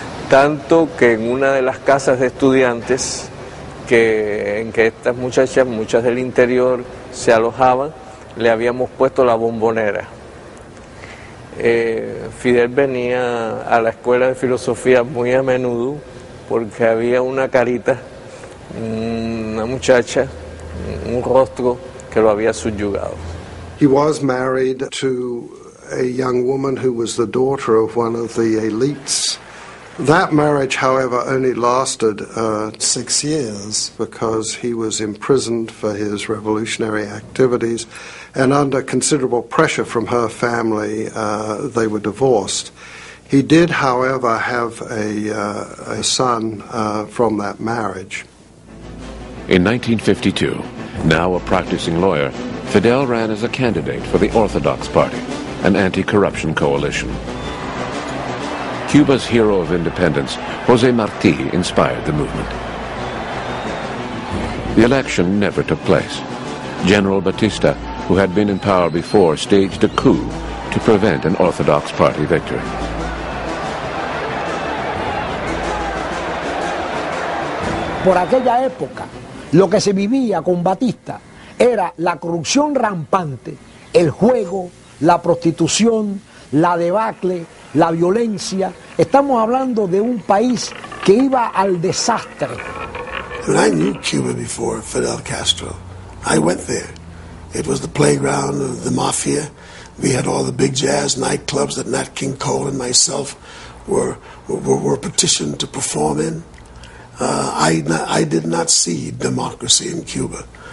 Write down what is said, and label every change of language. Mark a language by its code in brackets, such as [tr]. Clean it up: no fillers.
[es] Tanto que en una de las casas de estudiantes en que estas muchachas, muchas del interior, se alojaban, le habíamos puesto la bombonera. Fidel venía a la escuela de filosofía muy a menudo porque había una carita, una muchacha, un rostro que lo había subyugado. [en] He was married to a young woman who was the daughter of one of the elites. That marriage, however, only lasted 6 years because he was imprisoned for his revolutionary activities, and under considerable pressure from her family, they were divorced. He did, however, have a son from that marriage. In 1952, now a practicing lawyer, Fidel ran as a candidate for the Orthodox Party, an anti-corruption coalition. Cuba's hero of independence, José Martí, inspired the movement. The election never took place. General Batista, who had been in power before, staged a coup to prevent an Orthodox Party victory. [es] Por aquella época, lo que se vivía con Batista era la corrupción rampante, el juego, la prostitución, la debacle, la violencia. Estamos hablando de un país que iba al desastre. [en] When I knew Cuba before Fidel Castro, I went there. It was the playground of the mafia. We had all the big jazz nightclubs that Nat King Cole and myself were petitioned to perform in. I did not see democracy in Cuba.